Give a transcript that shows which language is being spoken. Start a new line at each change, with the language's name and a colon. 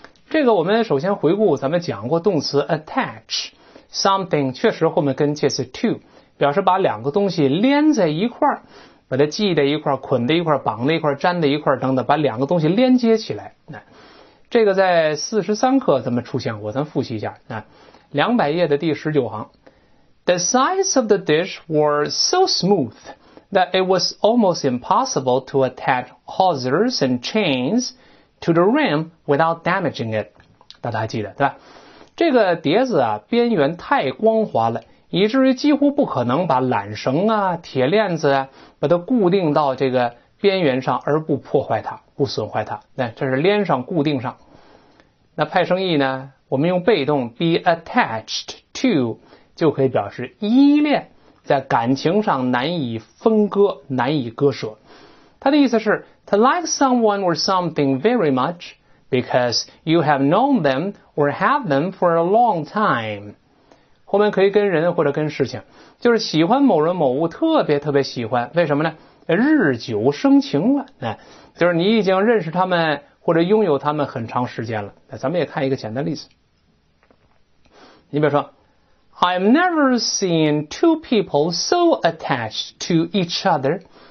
Chinese: 这个我们首先回顾咱们讲过动词 attach something， 确实后面跟介词 to 表示把两个东西连在一块，把它系在一块，捆在一块，绑在一块，粘在一块等等，把两个东西连接起来。这个在43课咱们出现过，咱复习一下。 200页的第19行，
English: The sides of the dish were so smooth that it was almost impossible to attach hawsers and chainsto the rim without damaging it， 大家记得对吧？
Chinese: 这个碟子啊，边缘太光滑了，以至于几乎不可能把缆绳啊、铁链子啊，把它固定到这个边缘上而不破坏它、不损坏它。那这是连上、固定上。那派生意呢？我们用被动 be attached to 就可以表示依恋，在感情上难以分割、难以割舍。他的意思是
English: To like someone or something very much because you have known them or have them for a long time.
Chinese: 后面可以跟人或者跟事情，就是喜欢某人某物特别特别喜欢，为什么呢？日久生情了，就是你已经认识他们或者拥有他们很长时间了。咱们也看一个简单例子，你比如说
English: I've never seen two people so attached to each other。